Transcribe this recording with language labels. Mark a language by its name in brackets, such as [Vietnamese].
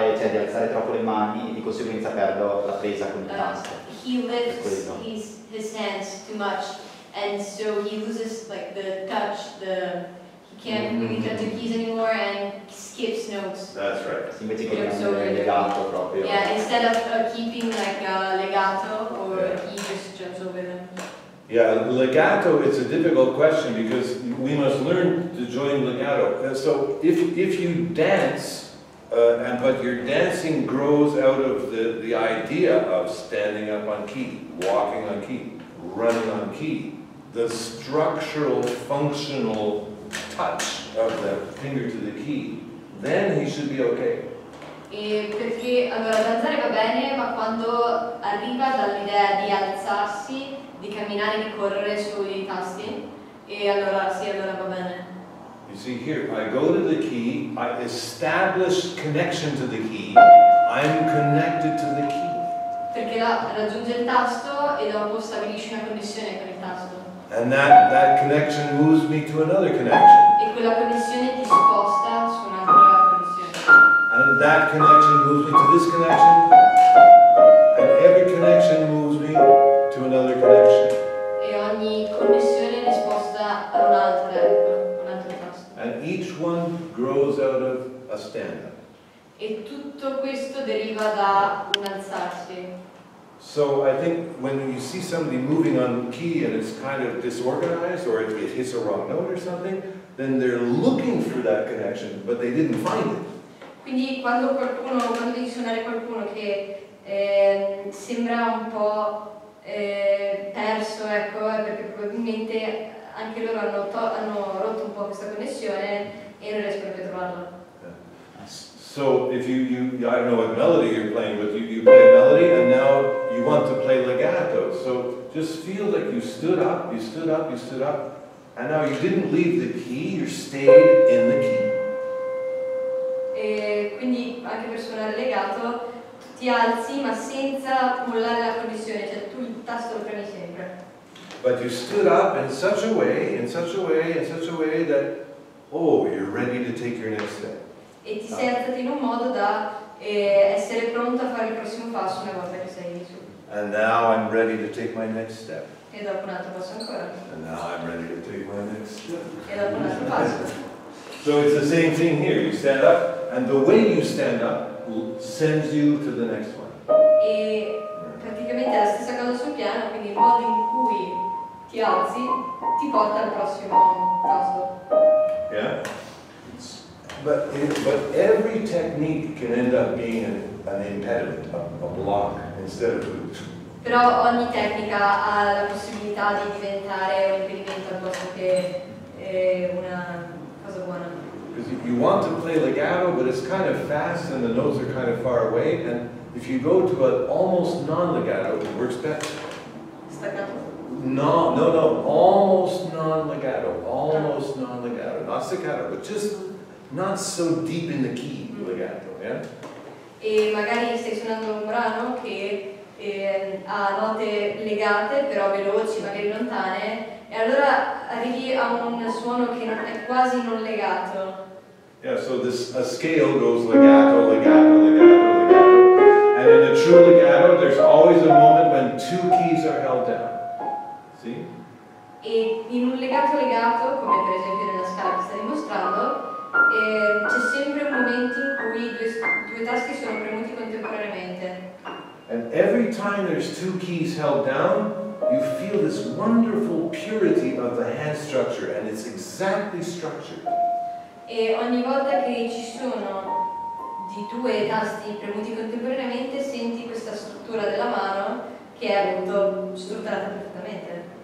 [Italian] Di alzare troppo le mani e di conseguenza perdo la presa con il tasto. [English] He lifts his hands too much and so he loses like the touch, he can't really touch the keys anymore and skips notes. That's right. [Italian] Si mette con legato proprio. [English] Yeah, instead of keeping like a legato or he just jumps over them. Yeah, legato, it's a difficult question because we must learn to join legato. So if you dance, but your dancing grows out of the idea of standing up on key, walking on key, running on key, the structural, functional touch of the finger to the key, then he should be okay. [Italian] E perché allora danzare va bene, ma quando arriva dall'idea di alzarsi, di camminare, di correre sui tasti, e allora sì, allora va bene. [English] You see here, I go to the key, I establish connection to the key, I'm connected to the key. [Italian] Perché là raggiunge il tasto e dopo stabilisce una connessione con il tasto. [English] And that connection moves me to another connection. [Italian] E quella connessione ti sposta su un'altra connessione. [English] And that connection moves me to this connection. And every connection moves me to another connection. [Italian] E ogni connessione ti sposta a un'altra. [English] And each one grows out of a stand-up. [Italian] E tutto questo deriva da un alzarsi. [English] So I think when you see somebody moving on key and it's kind of disorganized or it hits a wrong note or something, then they're looking for that connection, but they didn't find it. [Italian] Quindi quando devi suonare qualcuno che sembra un po' perso, ecco, perché probabilmente anche loro hanno rotto un po' questa connessione e non riescono più a trovarla. [English] So if you I don't know what melody you're playing, but you play a melody and now you want to play legato. So just feel like you stood up, and now you didn't leave the key, you stayed in the key. [Italian] E quindi anche per suonare legato ti alzi ma senza mollare la connessione, cioè tu il tasto lo premi sempre. [English] But you stood up in such a way, in such a way, in such a way that, oh, you're ready to take your next step. [Italian] E ti sei alzato in un modo da essere pronto a fare il prossimo passo una volta che sei su. [English] And now I'm ready to take my next step. [Italian] E dopo un altro passo ancora. [English] And now I'm ready to take my next step. [Italian] E dopo un altro passo. [English] So it's the same thing here. You stand up, and the way you stand up sends you to the next one. [Italian] E praticamente è la stessa cosa sul piano, quindi il modo in cui ti alzi ti porta al prossimo passo. [English] Yeah. But every technique can end up being an impediment, a block, instead of a boost. [Italian] Però ogni tecnica ha la possibilità di diventare un impedimento piuttosto che una cosa buona. [English] Because if you want to play legato, but it's kind of fast and the notes are kind of far away, and if you go to an almost non-legato, it works better. Staccato? No, almost non-legato, almost non-legato. Not staccato, but just not so deep in the key, legato, yeah? [Italian] E magari stai suonando un brano che ha note legate, però veloci, magari lontane, e allora arrivi a un suono che non è quasi non legato. [English] Yeah, so this a scale goes legato, legato, legato, legato. And in a true legato, there's always a moment when two keys are held down. See? [Italian] E in un legato legato, come per esempio nella scala che sta dimostrando, c'è sempre un momento in cui due tasti sono premuti contemporaneamente. [English] And every time there's two keys held down, you feel this wonderful purity of the hand structure, and it's exactly structured. [Italian] E ogni volta che ci sono di due tasti premuti contemporaneamente, senti questa struttura della mano che è appunto strutturata perfettamente.